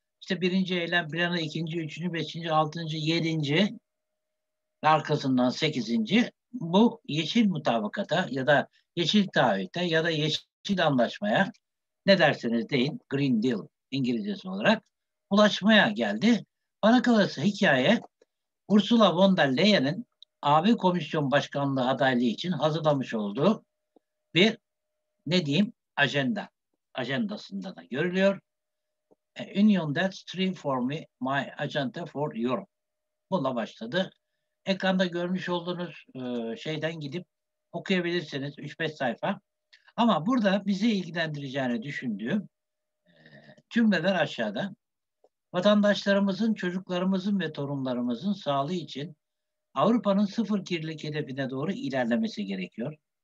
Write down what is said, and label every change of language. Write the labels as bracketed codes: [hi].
[tr] İşte birinci eylem planı, ikinci, üçüncü, beşinci, altıncı, yedinci ve arkasından sekizinci bu yeşil mutabakata ya da yeşil taahhüte ya da yeşil anlaşmaya, ne derseniz deyin, Green Deal İngilizcesi olarak ulaşmaya geldi. Bana kalırsa hikaye Ursula von der Leyen'in AB Komisyon Başkanlığı adaylığı için hazırlamış olduğu bir, ne diyeyim, ajenda. Ajandasında da görülüyor. [en] A union that strives for me, my agenda for Europe. [tr] Bununla başladı. Ekranda görmüş olduğunuz şeyden gidip okuyabilirsiniz. 3-5 sayfa. Ama burada bizi ilgilendireceğini düşündüğüm cümleler aşağıda. Vatandaşlarımızın, çocuklarımızın ve torunlarımızın sağlığı için Avrupa'nın sıfır kirlilik hedefine doğru ilerlemesi gerekiyor.